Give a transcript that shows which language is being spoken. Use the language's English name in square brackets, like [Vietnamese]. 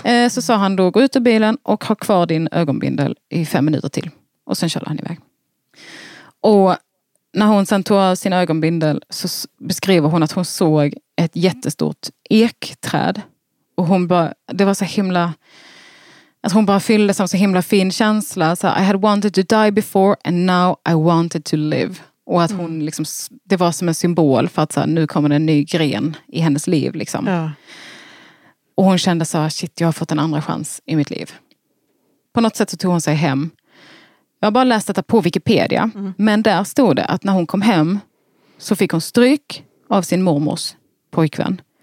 [Swedish] Så sa han då, gå ut ur bilen och ha kvar din ögonbindel i 5 minuter till. Och sen körde han iväg. Och när hon sen tog av sin ögonbindel så beskriver hon att hon såg ett jättestort ekträd. Och hon bara, det var så himla... Att hon bara fyllde som så himla fin känsla. Så, [English] I had wanted to die before and now I wanted to live. [Swedish] Och att hon liksom, det var som en symbol för att så här, nu kommer en ny gren i hennes liv liksom. Ja. Och hon kände så här, shit, jag har fått en andra chans i mitt liv. På något sätt så tog hon sig hem. Jag har bara läst detta på Wikipedia. Mm. Men där stod det att när hon kom hem så fick hon stryk av sin mormors pojkvän.